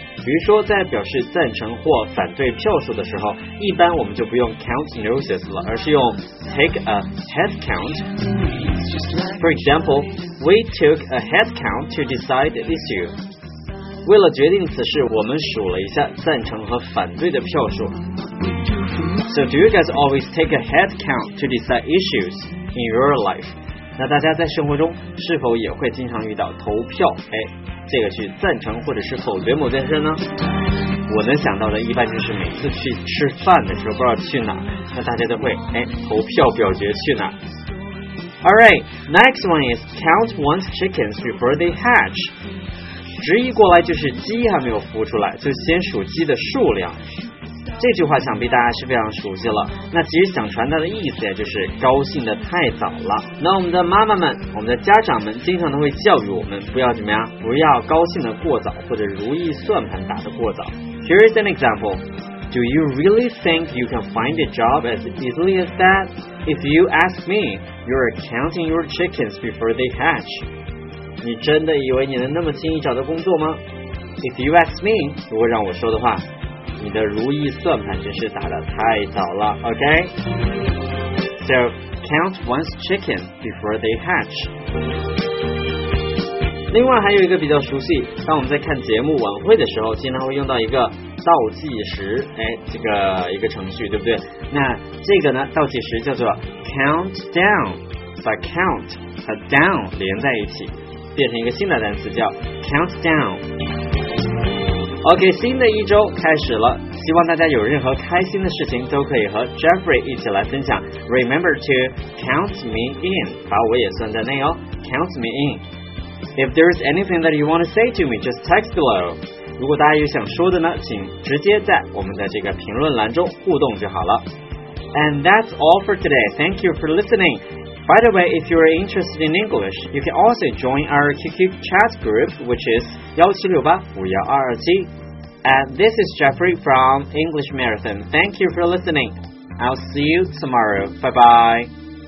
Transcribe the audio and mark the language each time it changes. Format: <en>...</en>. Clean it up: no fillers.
<zh>比如说在表示赞成或反对票数的时候，一般我们就不用 count noses 了，而是用 take a head count.</zh> <en>For example, we took a head count to decide the issue.</en> <zh>为了决定此事，我们数了一下赞成和反对的票数。</zh> <en>So do you guys always take a head count to decide issues in your life?</en> <zh>那大家在生活中是否也会经常遇到投票？哎，这个去赞成或者是否决某件事呢？我能想到的一般就是每次去吃饭的时候，不知道去哪，那大家都会哎投票表决去哪。</zh> <en>All right, next one is count one's chickens before they hatch.</en> <zh>直译过来就是鸡还没有孵出来，就先数鸡的数量。这句话想必大家是非常熟悉了。那其实想传达的意思就是高兴的太早了。那我们的妈妈们，我们的家长们经常都会教育我们不要怎么样，不要高兴的过早，或者如意算盘打得过早。</zh> <en>Here is an example. Do you really think you can find a job as easily as that? If you ask me, you're counting your chickens before they hatch.</en> <zh>你真的以为你能那么轻易找到工作吗 ？</zh> <en>If you ask me，</en> <zh>如果让我说的话，你的如意算盘真是打得太早了。</zh> <en>OK， so count one's chicken before they hatch。</en> <zh>另外还有一个比较熟悉，当我们在看节目晚会的时候，经常会用到一个倒计时，哎，这个一个程序，对不对？那这个呢，倒计时叫做 countdown， 把 count 和 down 连在一起。变成一个新的单词叫 countdown。OK， 新的一周开始了，希望大家有任何开心的事情都可以和 Jeffrey 一起来分享。</zh> <en>Remember to count me in，</en> <zh>把我也算在内哦。</zh> <en>Count me in。 If there's anything that you want to say to me, just text below。</en> <zh>如果大家有想说的呢，请直接在我们的这个评论栏中互动就好了。</zh> <en>And that's all for today. Thank you for listening. By the way, if you are interested in English, you can also join our QQ chat group, which is 1768-51227. And this is Jeffrey from English Marathon. Thank you for listening. I'll see you tomorrow. Bye-bye.</en>